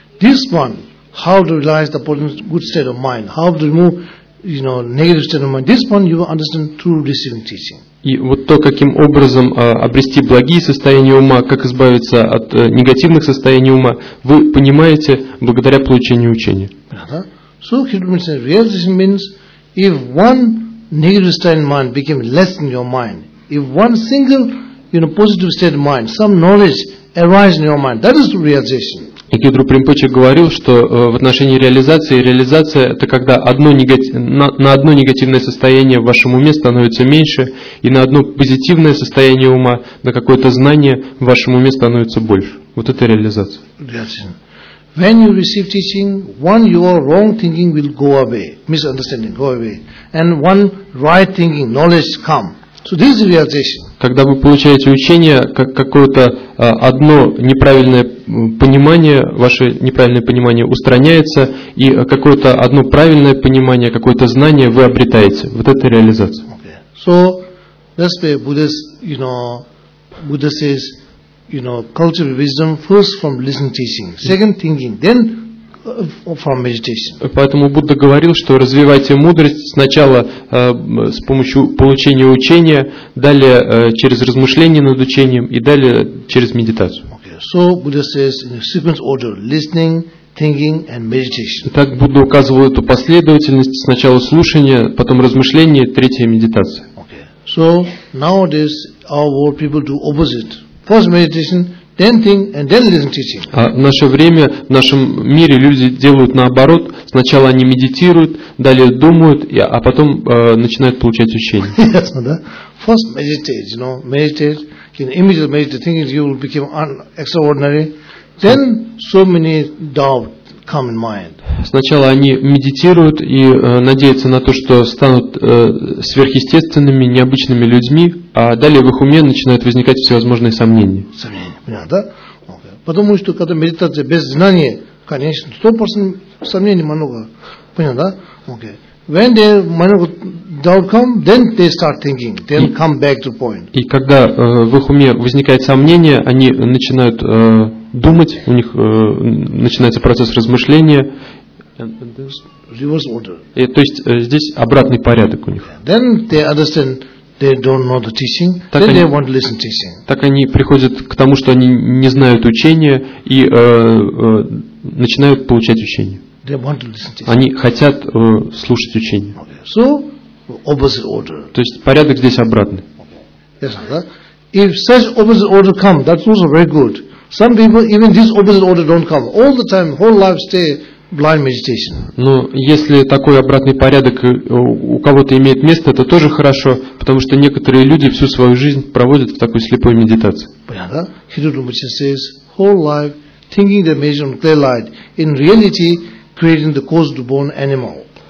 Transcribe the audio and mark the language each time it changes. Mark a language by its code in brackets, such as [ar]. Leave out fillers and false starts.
[en] This one, how to realize the good state of mind, how to remove you know, negative state of mind. This one you will understand through receiving teaching. [ru] И вот то, каким образом обрести благие состояния ума, как избавиться от негативных состояний ума, вы понимаете благодаря получению учения. [en] So Kidrumbuchi says, realization means if one negative state of mind became less in your mind, if one single you know, positive state of mind, some knowledge arises in your mind, that is realization. [ru] И Кидру Примпоче говорил, что в отношении реализации, реализация это когда на одно негативное состояние в вашем уме становится меньше, и на одно позитивное состояние ума, на какое-то знание в вашем уме становится больше. Вот это реализация. [en] When you receive teaching, one your wrong thinking will go away, misunderstanding go away, and one right thinking, knowledge come. So this is realization. [ru] Когда вы получаете учение, как какое-то одно неправильное понимание, ваше неправильное понимание устраняется, и какое-то одно правильное понимание, какое-то знание вы обретаете. Вот это реализация. [en] Okay. So that's why Buddha says, you know, cultivate wisdom first from listening teaching, second thinking, then from meditation. [ru] Поэтому Будда говорил, что развивайте мудрость сначала с помощью получения учения, далее через размышление над учением и далее через медитацию. [en] Okay. So Buddha says in a sequence order, listening, thinking and meditation. [ru] Итак, Будда указывал эту последовательность: сначала слушание, потом размышление, третье медитация. [en] Okay. So nowadays our world people do opposite. First meditation, then think, and then listen teaching. [ru] А в наше время, в нашем мире люди делают наоборот. Сначала они медитируют, далее думают, а потом начинают получать учение. Ясно, да? [en] first meditate, you know, meditate, can immediately meditate, thinking you will become extraordinary, then so many doubt come in mind. [ru] Сначала они медитируют и надеются на то, что станут сверхъестественными, необычными людьми, а далее в их уме начинают возникать всевозможные сомнения. Сомнения, понятно, да? Потому что когда медитация без знания, конечно, 100% сомнений много, понятно, да? [en] Okay. When they [ru] много [en] doubt come, then they start thinking, then come back to point. [ru] И когда в их уме возникает сомнение, они начинают думать, у них начинается процесс размышления. [en] Reverse order. [ru] И, то есть здесь обратный порядок у них. [en] Then they understand. They don't know the teaching. [ru] Так [en] then они, they won't listen teaching. [ru] Так они приходят к тому, что они не знают учения и начинают получать учение. [en] They want to listen teaching. [ru] Они хотят слушать учение. [en] Okay. So opposite order. [ru] То есть порядок здесь обратный. [en] Okay. Yes, sir. If such opposite order come, that's also very good. Some people even this opposite order don't come. All the time, whole life stay. Blind meditation. [ru] Но если такой обратный порядок у кого-то имеет место, это тоже хорошо, потому что некоторые люди всю свою жизнь проводят в такой слепой медитации. Понятно? [en] Хидуру Мучи says, whole life thinking the meditation on clear light, in reality creating the caused born animal.